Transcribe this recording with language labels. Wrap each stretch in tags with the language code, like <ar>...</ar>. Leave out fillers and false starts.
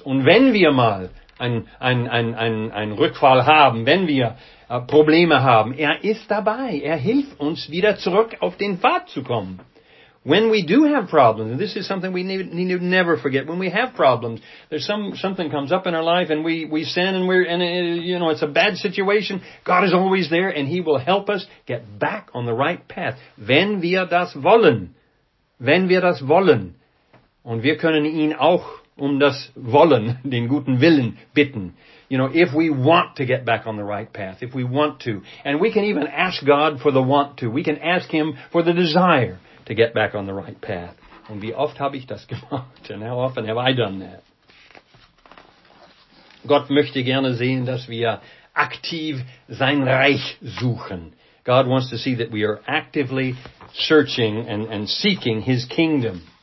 <de>Und wenn wir mal einen Rückfall haben, wenn wir Probleme haben, er ist dabei. Er hilft uns, wieder zurück auf den Pfad zu kommen.</de> <en>When we do have problems, and this is something we need to never forget, when we have problems, there's something comes up in our life and we sin and it's a bad situation, God is always there and he will help us get back on the right path.</en> <de>Wenn wir das wollen. Wenn wir das wollen. Und wir können ihn auch um das Wollen, den guten Willen, bitten.</de> <en>You know, if we want to get back on the right path, if we want to. And we can even ask God for the want to. We can ask him for the desire to get back on the right path.</en> <de>Und wie oft habe ich das gemacht?</de> <en>And how often have I done that?</en> <de>Gott möchte gerne sehen, dass wir aktiv sein Reich suchen.</de> <en>God wants to see that we are actively searching and seeking his kingdom.</en>